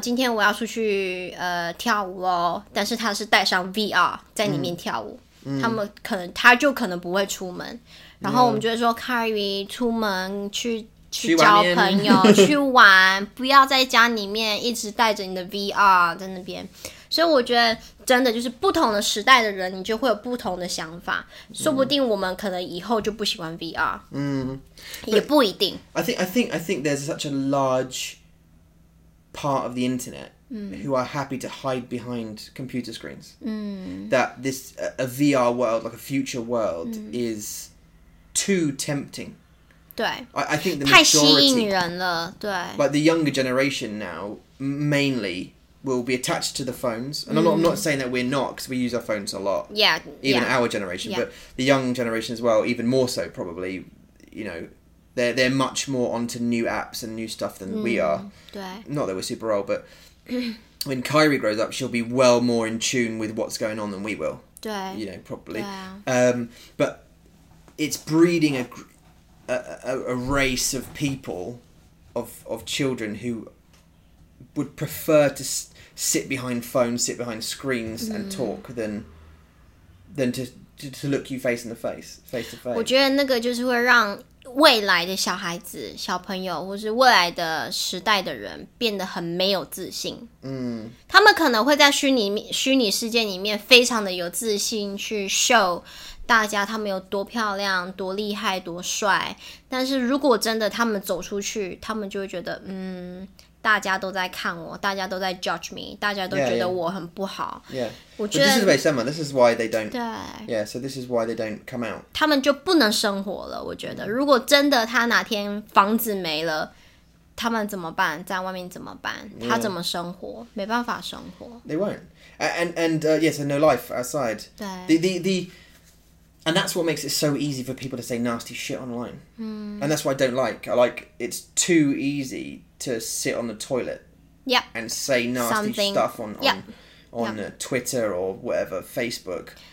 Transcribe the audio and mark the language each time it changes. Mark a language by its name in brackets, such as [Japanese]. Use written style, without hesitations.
[Chinese] 今天我要出去跳舞咯，但是他是戴上 VR 在里面跳舞，他们可能他就可能不会出门，然后我们就会说 Curry 出门去交朋友去玩不要在家里面一直带着你的 VR 在那边，所以我觉得真的就是不同的时代的人你就会有不同的想法，说不定我们可能以后就不喜欢 VR 也不一定。 [English] I think there's such a large part of the internet who are happy to hide behind computer screens that this a VR world, like a future world is too tempting. [Chinese] 对 [English] I think the majority [Chinese] 太吸引人了对 [English] like the younger generation now mainly will be attached to the phones and I'm not saying that we're not because we use our phones a lot yeah even yeah. our generation yeah. but the young generation as well even more so probably you know they're much more onto new apps and new stuff than we are [Chinese] 对 [English] not that we're super old but when Kyrie grows up she'll be well more in tune with what's going on than we will [Chinese] 对 [English] you know probably but it's breeding a race of people of children who would prefer to sit behind phones sit behind screens and talk than to look you face to face [Chinese] 我觉得那个就是会让未来的小孩子小朋友或是未来的时代的人变得很没有自信他们可能会在虚拟世界里面非常的有自信去 show大家他们有多漂亮多厉害多帅但是如果真的他们走出去他们就会觉得大家都在看我大家都在 [English] judge me [Chinese] 大家都觉得我很不好 [English] yeah, yeah. [Chinese] 我觉得 [English] this is very similar this is why they don't [Chinese] 对 [English] yeah so this is why they don't come out [Chinese] 他们就不能生活了我觉得如果真的他哪天房子没了他们怎么办在外面怎么办他怎么生活、 [English] yeah. [Chinese] 没办法生活 [English] they won't and yes and no life outside [Chinese] 对 [English] And that's what makes it so easy for people to say nasty shit online. And that's what I don't like. I like it's too easy to sit on the toilet and say nasty stuff on Twitter or whatever, Facebook.